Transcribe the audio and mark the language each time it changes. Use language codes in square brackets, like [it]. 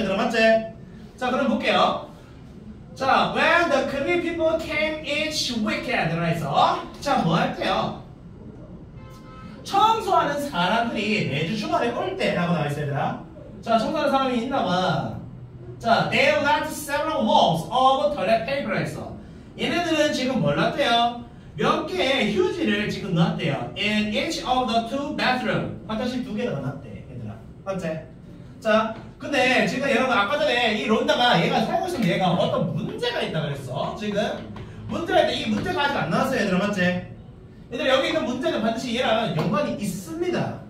[ko] 얘들아, 맞지? 자, 그럼 볼게요. 자, [en] when the Cree people came each weekend, [ko] 라해서 자, 뭐 할게요? 청소하는 사람들이 매주 주말에 올 때라고 나와있어, 얘들아. 자, 청소하는 사람이 있나 봐. [en] 자, they left several rolls of toilet paper, [ko] 했어. 얘네들은 지금 뭘 놨대요? 몇 개의 휴지를 지금 놨대요. [en] In each of the two bathrooms. [ko] 화장실 두 개가 놨대, 얘들아. 맞지? 자, 근데 지금 여러분 아까 전에 이 론다가 얘가 살고 있으면 얘가 어떤 문제가 있다고 그랬어. 지금 문제가 이 문제가 아직 안 나왔어요, 얘들아. 맞지? 얘들아, 여기 있는 문제는 반드시 얘랑 연관이 있습니다.